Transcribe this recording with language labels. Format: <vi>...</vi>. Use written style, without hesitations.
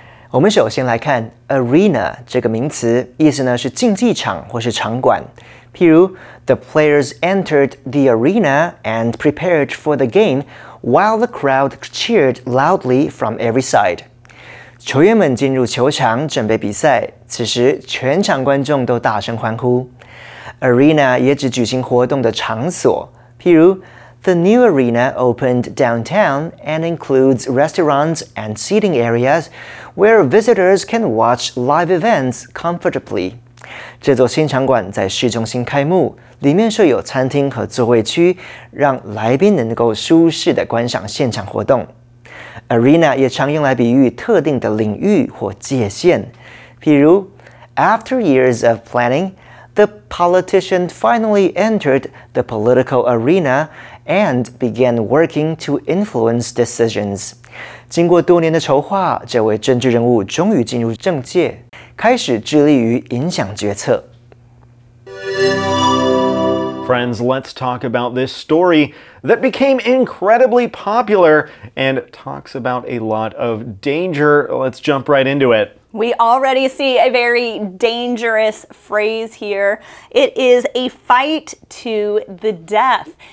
<zh>我们首先来看 arena 这个名词，意思呢是竞技场或是场馆。譬如</zh> <en>，the players entered the arena and prepared for the game while the crowd cheered loudly from every side。</en> <zh>球员们进入球场准备比赛，此时全场观众都大声欢呼。</zh> <en>arena</en> <zh>也指举行活动的场所，譬如</zh> <en>，the new arena opened downtown and includes restaurants and seating areas。 Where visitors can watch live events comfortably.</en> <zh>这座新场馆在市中心开幕，里面设有餐厅和座位区，让来宾能够舒适地观赏现场活动。 Arena 也常用来比喻特定的领域或界限。譬如</zh> <en>,After years of planning, the politician finally entered the political arena and began working to influence decisions.</en> <zh>经过多年的筹划，这位政治人物终于进入政界，开始致力于影响决策。</zh> <en>Friends, let's talk about this story that became incredibly popular and talks about a lot of danger. Let's jump right into it. We already see a very dangerous phrase here. It is a fight to the death.</en>